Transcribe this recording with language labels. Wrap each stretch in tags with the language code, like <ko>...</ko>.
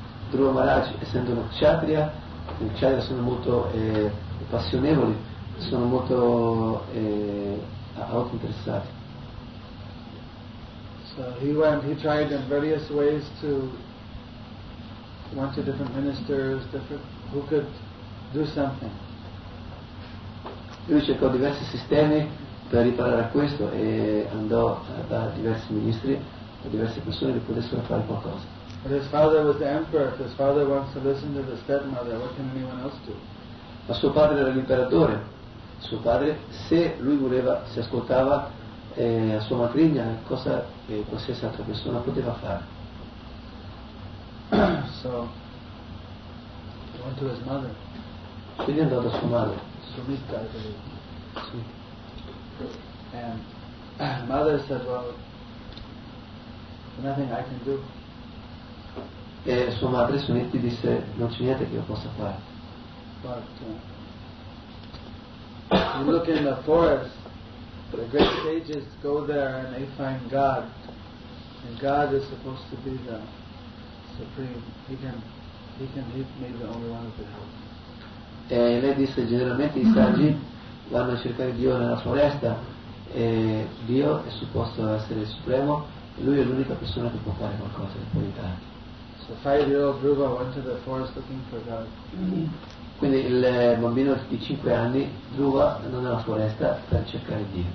<it>Dhruva Maharaj, essendo uno kshatriya, gli kshatriya sono molto passionevoli, sono molto auto-interessati.</it> <en>So he tried in various ways to want to different ministers, different who could do something.</en> <it>Lui cercò diversi sistemi per riparare a questo e andò da diversi ministri, da diverse persone che potessero fare qualcosa.</it> <en>But his father was the emperor. If his father wants to listen to the stepmother, what can anyone else do?</en> <it>Ma suo padre era l'imperatore. Suo padre, se lui voleva, si ascoltava a sua matrigna, cosa qualsiasi altra persona poteva fare.</it> <en>So he went to his mother.</en> <it>Quindi andò da sua madre.</it> <en>Sumita, I believe. And mother said, "Well, nothing I can do."</en> <it>E sua madre Sunetti disse non c'è niente che io possa fare.</it> <en>But you look in the forest, the great sages go there and they find God, and God is supposed to be the supreme. He can help me, the only one who can help.</en> <it>E lei disse generalmente i saggi vanno a cercare Dio nella foresta e Dio è supposto essere il supremo e lui è l'unica persona che può fare qualcosa che può aiutare.</it> <en>So 5-year-old Dhruva went to the forest looking for God.</en> <it>Quindi il bambino di 5 anni Dhruva andò nella foresta per cercare Dio.</it>